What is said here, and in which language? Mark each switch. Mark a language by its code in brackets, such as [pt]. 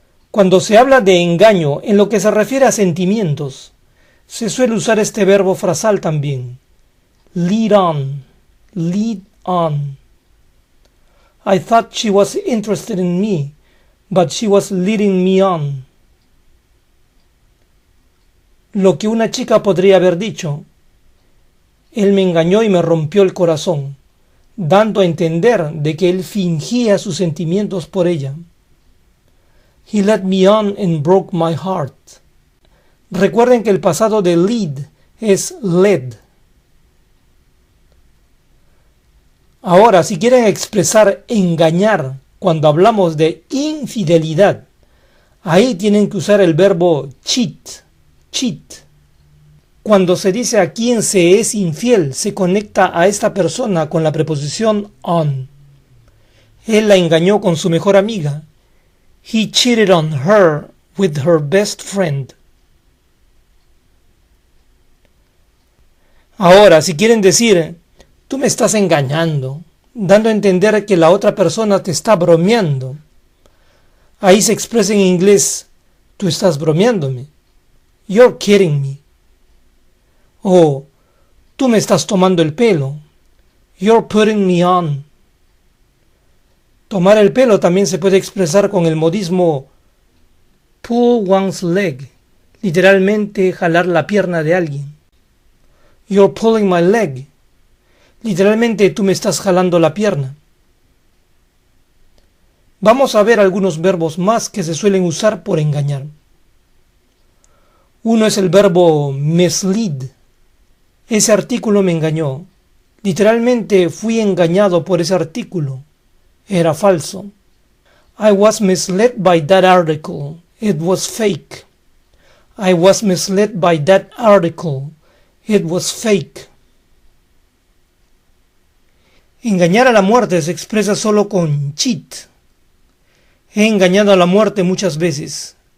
[es] Cuando se habla de engaño en lo que se refiere a sentimientos, se suele usar este verbo frasal también. [en] Lead on. Lead on. I thought she was interested in me, but she was leading me on. [es] Lo que una chica podría haber dicho. Él me engañó y me rompió el corazón, dando a entender de que él fingía sus sentimientos por ella. [en] He led me on and broke my heart. [es] Recuerden que el pasado de lead es led. Ahora, si quieren expresar engañar cuando hablamos de infidelidad, ahí tienen que usar el verbo cheat, cheat. Cuando se dice a quién se es infiel, se conecta a esta persona con la preposición on. Él la engañó con su mejor amiga. [en] He cheated on her with her best friend. [es] Ahora, si quieren decir, tú me estás engañando, dando a entender que la otra persona te está bromeando. Ahí se expresa en inglés, tú estás bromeándome. You're kidding me. O, tú me estás tomando el pelo. You're putting me on. Tomar el pelo también se puede expresar con el modismo pull one's leg, literalmente jalar la pierna de alguien. You're pulling my leg. Literalmente, tú me estás jalando la pierna. Vamos a ver algunos verbos más que se suelen usar por engañar. Uno es el verbo mislead. Ese artículo me engañó. Literalmente, fui engañado por ese artículo. Era falso. [en] I was misled by that article. It was fake. I was misled by that article. It was fake. [es] Engañar a la muerte se expresa solo con cheat. He engañado a la muerte muchas veces.